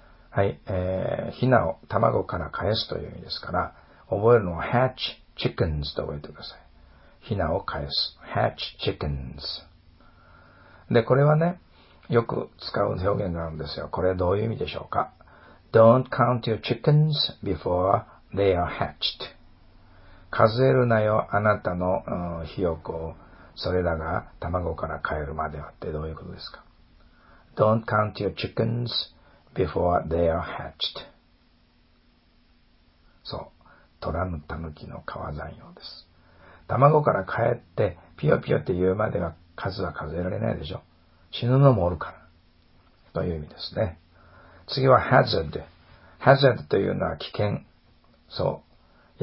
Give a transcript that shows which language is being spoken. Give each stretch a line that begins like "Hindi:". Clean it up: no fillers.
Japanese: はい、ヒナを卵から返すという意味ですから、覚えるのはハッチ、チキンズと覚えてください。ヒナを返す。ハッチ、チキンズ。で、これはね、よく使う表現があるんですよ。これどういう意味でしょうか。
English: Don't count your chickens before they are hatched.
Japanese: 数えるなよ、あなたの、ヒヨコを、それらが卵から飼えるまではってどういうことですか。
English: Don't count your chickens before they are hatched.
Japanese: そう。取らぬタヌキの皮残用です。卵から飼えて、ピヨピヨって言うまでは数は数えられないでしょ。死ぬのもおるから。という意味ですね。次は hazard。 hazard というのは危険。そう。